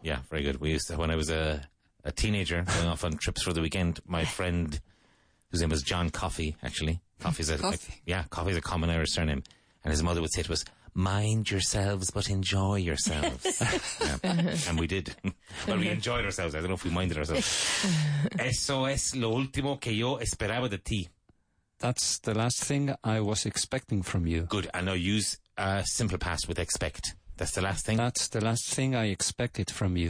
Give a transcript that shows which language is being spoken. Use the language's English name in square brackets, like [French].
[English] Yeah, very good. We used to, when I was a teenager, going off on trips for the weekend, my friend, whose name was John Coffey, actually. Coffey's a common Irish surname. And his mother would say to us, mind yourselves, but enjoy yourselves. Yeah. And we did. Well, we enjoyed ourselves. I don't know if we minded ourselves. [Spanish] Eso es lo último que yo esperaba de ti. [English] That's the last thing I was expecting from you. Good. And now use a simple past with expect. That's the last thing? That's the last thing I expected from you.